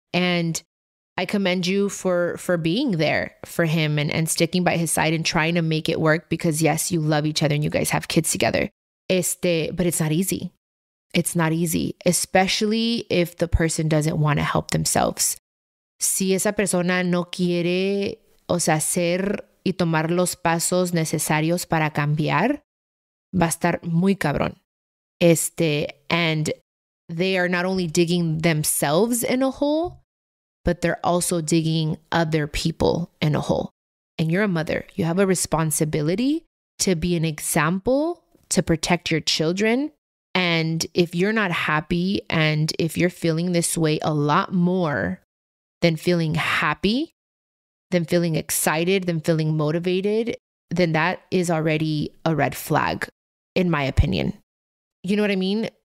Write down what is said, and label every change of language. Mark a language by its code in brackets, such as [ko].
[en] And I commend you for being there for him and sticking by his side and trying to make it work because yes, you love each other and you guys have kids together. But it's not easy. It's not easy, especially if the person doesn't want to help themselves. [es] Si esa persona no quiere, o sea, hacer y tomar los pasos necesarios para cambiar, va a estar muy cabrón. [en] And they are not only digging themselves in a hole, but they're also digging other people in a hole. And you're a mother. You have a responsibility to be an example, to protect your children. And if you're not happy, and if you're feeling this way a lot more than feeling happy, than feeling excited, than feeling motivated, then that is already a red flag, in my opinion. You know what I mean?